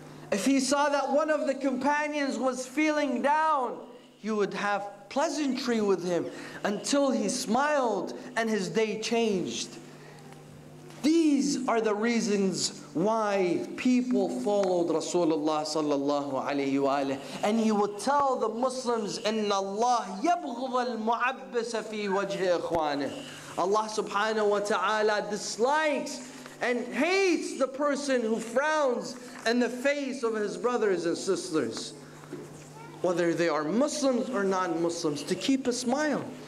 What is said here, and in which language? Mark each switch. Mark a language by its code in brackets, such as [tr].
[en] If he saw that one of the companions was feeling down, he would have pleasantry with him until he smiled and his day changed. These are the reasons why people followed Rasulullah sallallahu alayhi wa alayhi. And he would tell the Muslims, [ar] إِنَّ اللَّهِ يَبْغُضَ الْمُعَبِّسَ فِي وَجْهِ إِخْوَانِهِ. [en] Allah subhanahu wa ta'ala dislikes and hates the person who frowns in the face of his brothers and sisters, whether they are Muslims or non-Muslims, to keep a smile.